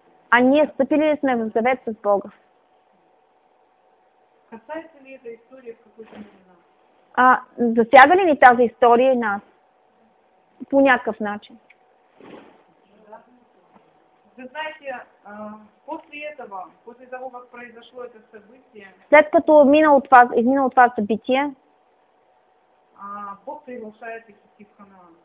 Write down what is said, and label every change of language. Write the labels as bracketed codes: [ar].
[bg] А ние стъпили ли сме в завет с Бога? [ru] Касается ли эта история в какой-то момент? [bg] Засяга ли ни тази история и нас? По някакъв начин. [ru] Вы знаете, после этого, после того, как произошло это событие, [bg] след като изминало това събитие, [ru] Бог приглашает их идти в Ханаан.